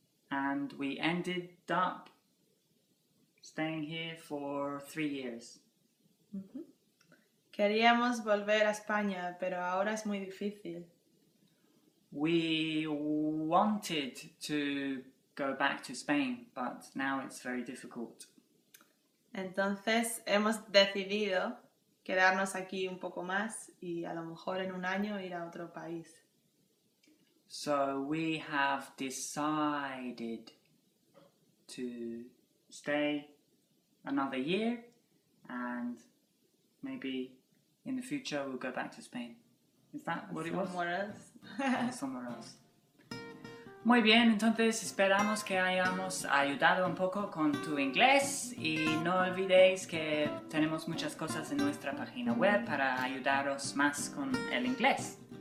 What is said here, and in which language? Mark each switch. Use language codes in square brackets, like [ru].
[en] And we ended up staying here for 3 years. [es] Queríamos volver a España, pero ahora es muy difícil. [en] We wanted to go back to Spain, but now it's very difficult. [es] Entonces hemos decidido quedarnos aquí un poco más y a lo mejor en un año ir a otro país. [en] So we have decided to stay another year and maybe in the future we'll go back to Spain. Is that what it was? Somewhere else. Somewhere else. [es] Muy bien, entonces esperamos que hayamos ayudado un poco con tu inglés y no olvidéis que tenemos muchas cosas en nuestra página web para ayudaros más con el inglés.